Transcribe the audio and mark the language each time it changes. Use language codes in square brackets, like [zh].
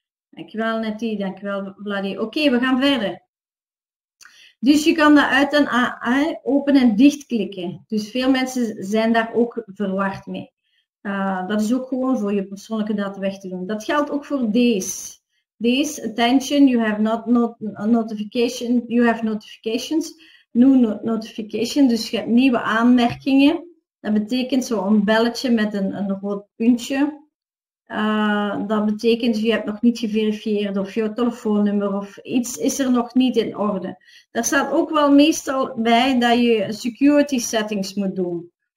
[nl] Dankjewel Nettie, dankjewel Vladi. Oké, we gaan verder. Dus je kan dat uit en aan open en dicht klikken. Dus veel mensen zijn daar ook verward mee. Dat is ook gewoon voor je persoonlijke data weg te doen. Dat geldt ook voor deze. Deze, [en] attention, you have not, not notification. You have notifications. New notification, [nl] dus je hebt nieuwe aanmerkingen. Dat betekent zo'n belletje met een rood puntje. Dat betekent je hebt nog niet geverifieerd of je telefoonnummer of iets is er nog niet in orde. Daar staat ook wel meestal bij dat je security settings moet doen.